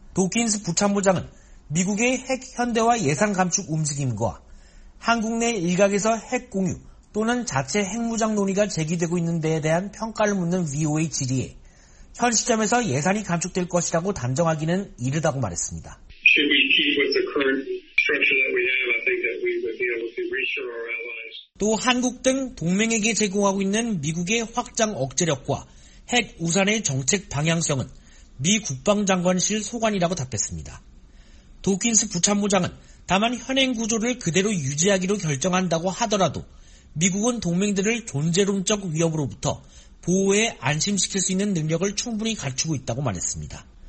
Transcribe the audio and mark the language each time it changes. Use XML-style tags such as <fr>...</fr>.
<ko>도킨스 부참부장은 미국의 핵 현대화 예산 감축 움직임과 한국 내 일각에서 핵 공유 또는 자체 핵무장 논의가 제기되고 있는 데에 대한 평가를 묻는 VOA 질의에 현 시점에서 예산이 감축될 것이라고 단정하기는 이르다고 말했습니다.</ko> <en>Should we keep with the current structure that we have? I think that we would be able to reassure our allies.</en> <ko>또 한국 등 동맹에게 제공하고 있는 미국의 확장 억제력과 핵 우산의 정책 방향성은 미 국방장관실 소관이라고 답했습니다. 도킨스 부참부장은 다만 현행 구조를 그대로 유지하기로 결정한다고 하더라도 미국은 동맹들을 존재론적 위협으로부터 보호해 안심시킬 수 있는 능력을 충분히 갖추고 있다고 말했습니다.</ko>